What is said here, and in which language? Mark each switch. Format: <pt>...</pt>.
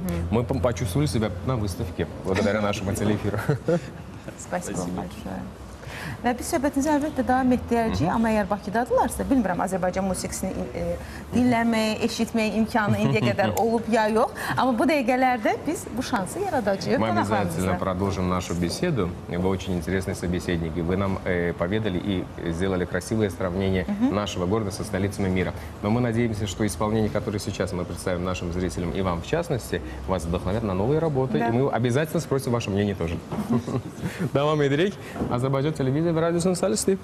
<ru>Мы почувствовали себя на выставке благодаря нашему телеэфиру. Спасибо большое.</ru> <az>Ve biz söhbətinizi əlbəttə davam etdirəcəyik, amma əgər Bakıdadılarsa, bilmirəm Azərbaycan musiqisini dinləmək, eşitmək imkanı indiyə qədər olub ya yox, amma bu dəqiqələrdə biz bu şansı yaradacağıq.</az> <ru>Мы обязательно продолжим нашу беседу. Вы очень интересный собеседник. Вы нам поведали и сделали красивое сравнение нашего города со столицами мира. Но мы надеемся, что исполнение, которое сейчас мы представим нашим зрителям и вам в частности, вас вдохновят на новые работы. И мы обязательно спросим ваше мнение тоже.</ru> <az>Давам Эдрик, Азербайджан телевизия и радио Сансалисты.</az>